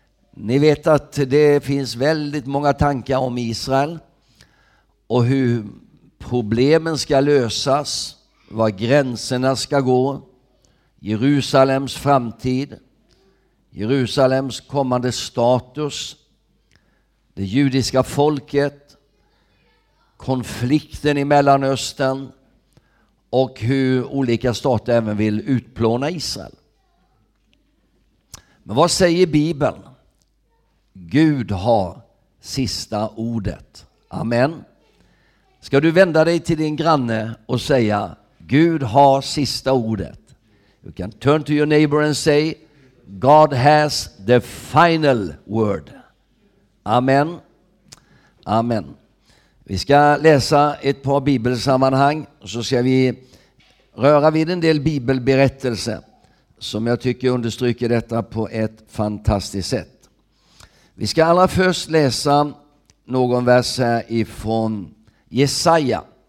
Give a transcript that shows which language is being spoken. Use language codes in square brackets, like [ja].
[sv] Ni vet att det finns väldigt många tankar om Israel och hur problemen ska lösas, var gränserna ska gå, Jerusalems framtid, Jerusalems kommande status, det judiska folket, konflikten i Mellanöstern och hur olika stater även vill utplåna Israel. Men vad säger Bibeln? Gud har sista ordet. Amen. Ska du vända dig till din granne och säga: Gud har sista ordet. [en] You can turn to your neighbor and say: God has the final word. [sv] Amen. Amen. Vi ska läsa ett par bibelsammanhang. Så ska vi röra vid en del bibelberättelse som jag tycker understryker detta på ett fantastiskt sätt. Vi ska allra först läsa någon vers här ifrån Jesaja.